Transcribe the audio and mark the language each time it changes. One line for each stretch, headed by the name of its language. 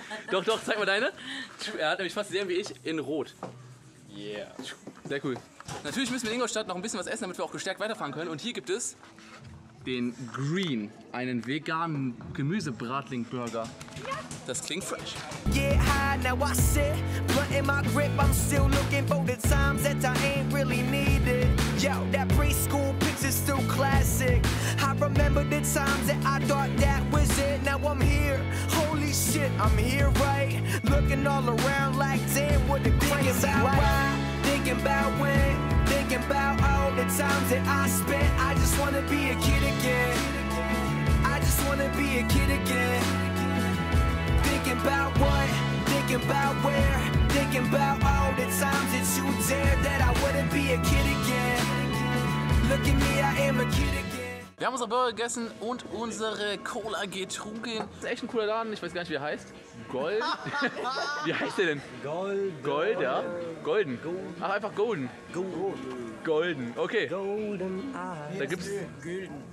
German: Doch, doch, zeig mal deine. Er hat nämlich fast dieselben wie ich in Rot.
English: Yeah.
German: Sehr cool. Natürlich müssen wir in Ingolstadt noch ein bisschen was essen, damit wir auch gestärkt weiterfahren können. Und hier gibt es den Green, einen veganen Gemüsebratling-Burger. Das klingt fresh.
English: Get high, now I sit, blunt in my grip. I'm still looking for the times that I ain't really needed. Yo, that preschool picture's still classic. I remember the times that I thought that was it. Now I'm here, holy shit, I'm here right. Looking all around like damn, what the crazy is out right. Thinking about when, thinking about all the times that I spent. I just wanna be a kid again. I just wanna be a kid again. Thinking about what, thinking about where, thinking about all the times that you dared that I wouldn't be a kid again. Look at me, I am a kid again.
German: Wir haben unsere Burger gegessen und unsere Cola getrunken. Das ist echt ein cooler Laden, ich weiß gar nicht, wie er heißt. Gold? Wie heißt der denn? Gold. Gold, ja. Golden. Ach, einfach Golden. Golden, okay. Golden Eyes. Da gibt's... Gülden.